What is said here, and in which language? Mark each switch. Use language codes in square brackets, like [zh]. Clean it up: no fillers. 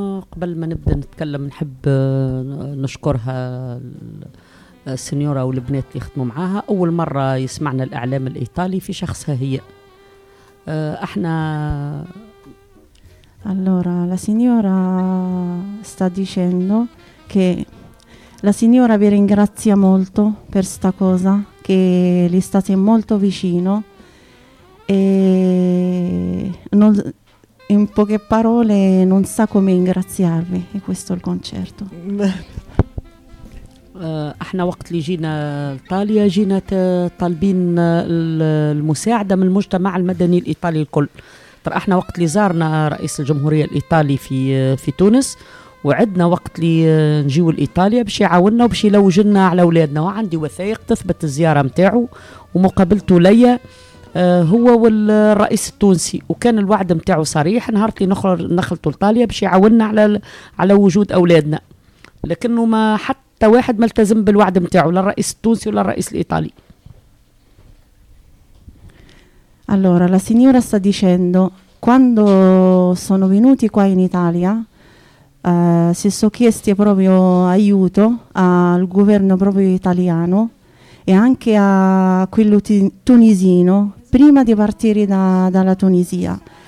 [ar] قبل ما نبدا نتكلم نحب نشكرها السنيوره والبنات اللي خدموا معاها. اول مره يسمعنا الاعلام الايطالي في شخصها هي. احنا [it] Allora, la signora sta dicendo che la signora vi ringrazia molto per sta cosa, che le state molto vicino e non, in poche parole non sa come ringraziarvi, e questo è il concerto. [ar] احنا وقت اللي جينا ايطاليا جينا طالبين المساعده من المجتمع المدني الايطالي الكل. ترى احنا وقت اللي زارنا رئيس الجمهوريه الايطالي في تونس وعدنا وقت اللي نجيو لايطاليا باش يعاوننا وباش يلوجنا على اولادنا، وعندي وثائق تثبت الزياره نتاعو ومقابلته ليا هو والرئيس التونسي، وكان الوعد نتاعو صريح نهار اللي نخلطوا ايطاليا باش يعاوننا على وجود اولادنا، لكنه ما حتى واحد ما التزم بالوعد نتاعو، لا الرئيس التونسي ولا الرئيس الايطالي. [it] Allora, la signora sta dicendo, quando sono venuti qua in Italia, si sono chiesti proprio aiuto al governo proprio italiano e anche a quello tunisino, prima di partire dalla Tunisia.